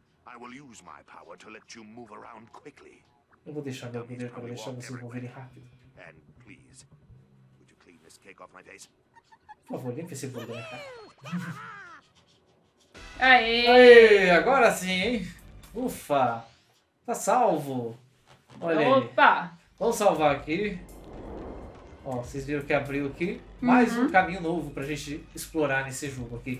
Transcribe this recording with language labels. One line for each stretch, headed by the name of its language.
English: I will use my power to let you move around quickly.
Portuguese: Eu vou deixar meu poder para deixar você mover rápido.
English: And please, would you clean this cake off my face?
Portuguese: Por favor, limpe esse bolo da minha cara. Aê! Aê! Agora sim, hein? Ufa! Tá salvo! Olha aí. Opa! Vamos salvar aqui. Ó, vocês viram que abriu aqui. Mais um caminho novo pra gente explorar nesse jogo aqui.